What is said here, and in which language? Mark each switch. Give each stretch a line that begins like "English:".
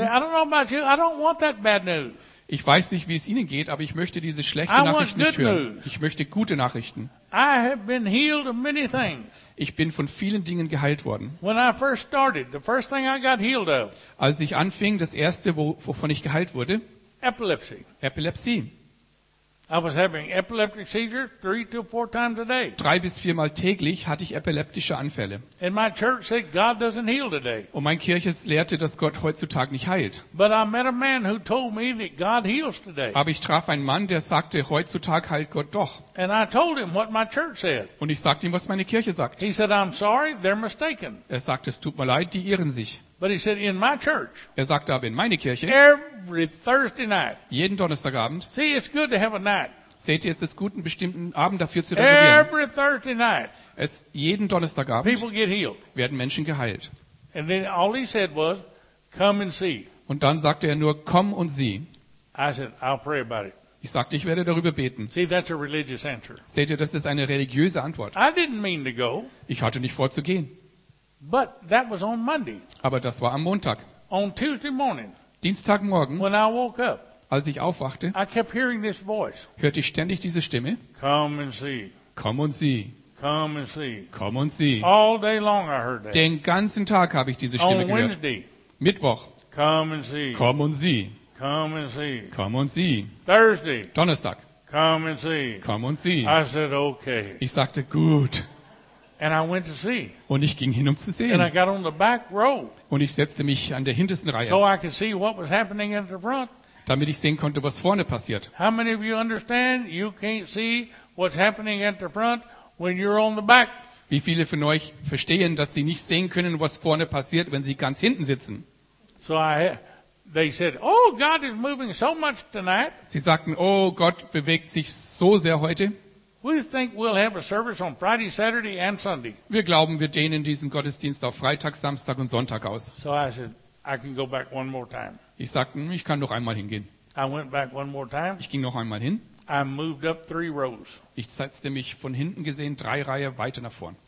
English: See, I don't know about you. I don't want that bad news.
German: Ich weiß nicht, wie es Ihnen geht, aber ich möchte diese schlechte Nachricht nicht hören. Ich möchte gute Nachrichten.
English: I have been healed of many things.
German: Ich bin von vielen Dingen geheilt worden.
English: When I first started, the first thing I got healed of,
German: als ich anfing, das Erste, wovon ich geheilt wurde,
English: Epilepsie. I was having epileptic seizures 3 to 4 times a day.
German: 3 bis 4 Mal täglich hatte ich epileptische Anfälle.
English: And my church said God doesn't heal today.
German: Und meine Kirche lehrte, dass Gott heutzutage nicht heilt.
English: But I met a man who told me that God heals today.
German: Aber ich traf einen Mann, der sagte, heutzutage heilt Gott doch.
English: And I told him what my church said.
German: Und ich sagte ihm, was meine Kirche sagt.
English: He said, I'm sorry, they're mistaken.
German: Er sagte, es tut mir leid, die irren sich.
English: But he said, in my church.
German: Er sagte aber, in meine Kirche.
English: Every Thursday night.
German: Jeden Donnerstagabend.
English: See, it's good to have a night.
German: Seht ihr, es ist gut, einen bestimmten Abend dafür zu reservieren.
English: Every Thursday night.
German: Es jeden Donnerstagabend.
English: People get healed.
German: Werden Menschen geheilt.
English: And then all he said was, come and see.
German: Und dann sagte er nur, komm und sieh.
English: I said, I'll pray about it.
German: Ich sagte, ich werde darüber beten.
English: See, that's a religious answer.
German: Seht ihr, das ist eine religiöse Antwort.
English: I didn't mean to go.
German: Ich hatte nicht vor zu gehen.
English: But that was on Monday.
German: Aber das war am Montag.
English: On Tuesday morning.
German: Dienstagmorgen.
English: When I woke up.
German: Als ich aufwachte.
English: I kept hearing this voice.
German: Hörte ich ständig diese Stimme.
English: Come and see.
German: Komm und sieh.
English: Come and see.
German: Komm und sieh.
English: All day long I heard that.
German: Den ganzen Tag habe ich diese Stimme gehört.
English: On Wednesday.
German: Mittwoch.
English: Come and see.
German: Komm und sieh.
English: Come and see.
German: Komm und sieh.
English: Thursday.
German: Donnerstag.
English: Come and see.
German: Komm und sieh.
English: I said okay.
German: Ich sagte gut.
English: And I went to see.
German: Und ich ging hin, um zu sehen.
English: And I got on the back row.
German: Und ich setzte mich an der hintersten Reihe.
English: So I could see what was happening at the front.
German: Damit ich sehen konnte, was vorne passiert.
English: How many of you understand? You can't see what's happening at the front when you're on the back.
German: Wie viele von euch verstehen, dass sie nicht sehen können, was vorne passiert, wenn sie ganz hinten sitzen?
English: So they said, "Oh, God is moving so much tonight."
German: Sie sagten, oh, Gott bewegt sich so sehr heute.
English: We think we'll have a service on Friday, Saturday and Sunday.
German: Wir glauben, wir dehnen diesen Gottesdienst auf Freitag, Samstag und Sonntag aus.
English: So I said, I can go back one more time.
German: Ich sagte, ich kann noch einmal hingehen.
English: I went back one more time.
German: Ich ging noch einmal hin.
English: I moved up 3 rows.
German: Ich setzte mich von hinten gesehen 3 Reihen weiter nach vorn.